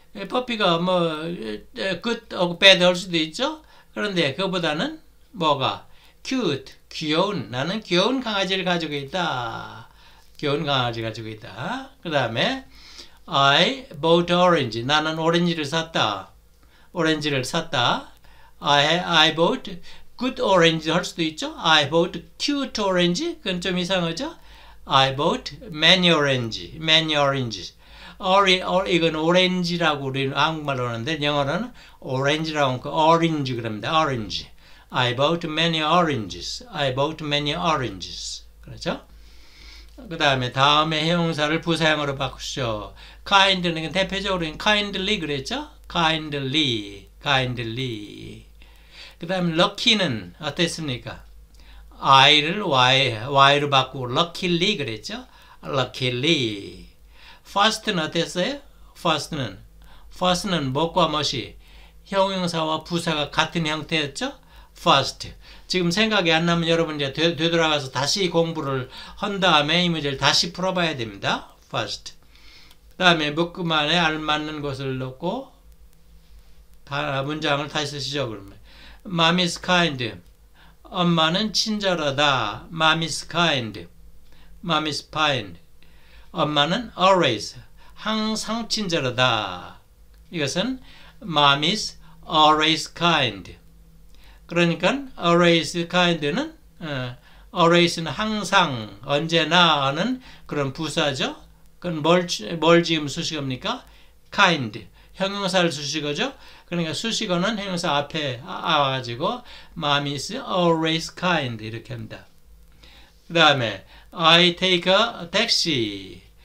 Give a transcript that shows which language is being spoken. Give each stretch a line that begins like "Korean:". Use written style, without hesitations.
Korean: 퍼피가 뭐 good하고 bad 할 수도 있죠. 그런데 그거보다는 뭐가 cute 귀여운 나는 귀여운 강아지를 가지고 있다. 귀여운 강아지 가지고 있다. 그 다음에
English: I bought orange
Korean: 나는 오렌지를 샀다. 오렌지를 샀다.
English: I bought good orange
Korean: 할 수도 있죠.
English: I bought cute orange
Korean: 그건 좀 이상하죠.
English: I bought many orange many orange.
Korean: 이건 오렌지라고 우리 한국말로 하는데 영어로는 오렌지라고 하는 거 오렌지 그럽니다.
English: 오렌지. I bought many oranges. I bought many oranges.
Korean: 그렇죠? 그 다음에 다음에 형용사를 부사형으로 바꾸시죠. kindly는 대표적으로 kindly 그랬죠?
English: kindly. kindly.
Korean: 그 다음에 lucky는 어땠습니까? I를 Y로 바꾸고 luckily 그랬죠? luckily. first는 어땠어요? first는 뭐과 뭣이 형용사와 부사가 같은 형태였죠? first 지금 생각이 안 나면 여러분 이제 되돌아가서 다시 공부를 한 다음에 이 문제를 다시 풀어봐야 됩니다. first 그 다음에 묶음 안에 알맞는 것을 넣고 문장을 다시 쓰시죠. 그러면
English: mom is kind
Korean: 엄마는 친절하다.
English: mom is kind mom is kind 엄마는 always,
Korean: 항상 친절하다. 이것은
English: mom is always kind.
Korean: 그러니까 always kind는 always는 항상, 언제나 하는 그런 부사죠. 그건 뭘 지금 수식어입니까? kind, 형용사를 수식어죠. 그러니까 수식어는 형용사 앞에 와가지고
English: mom is always kind
Korean: 이렇게 합니다. 그 다음에
English: I take a taxi.